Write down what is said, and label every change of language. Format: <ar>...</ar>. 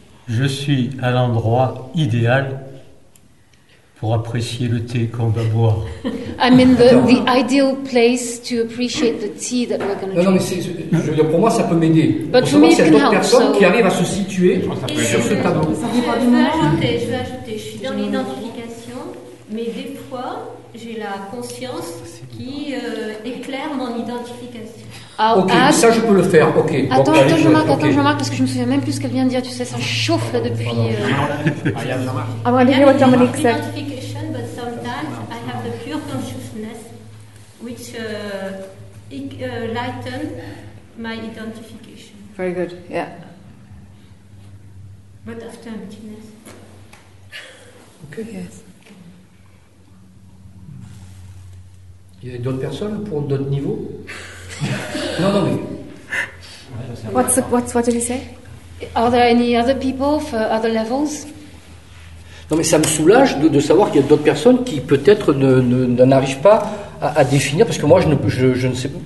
<fr>Je suis à l'endroit idéal pour apprécier le thé qu'on va boire.</fr> <en>I'm in the ideal place to appreciate the tea that we're going to drink.</en> <fr>Non, mais c'est, pour moi, ça peut m'aider.</fr> <en>But</en> <fr>pour moi, c'est d'autres personnes</fr> <en>so...</en> <fr>qui arrivent à se situer sur ce tableau. Je vais ajouter, je suis dans l'identification, mais des fois, j'ai la conscience qui éclaire mon identification.</fr> <en>I'll ok, add...</en> <fr>ça je peux le faire, ok. Attends, bon, attends Jean-Marc, okay. Parce que je me souviens même plus ce qu'elle vient de dire, tu sais, ça chauffe là depuis...</fr> <en>I want to hear what Dominique said. I have identification, but sometimes I have the pure consciousness which lighten my identification. Very good, yeah. But after emptiness. Ok, yes.</en> <fr>Il y a d'autres personnes pour d'autres niveaux?</fr> <en>No. What did he say? Are there any other people for other levels?</en> <fr>Non, mais ça me soulage de savoir qu'il y a d'autres personnes qui peut-être n'arrivent pas à définir parce que moi je ne sais pas.</fr>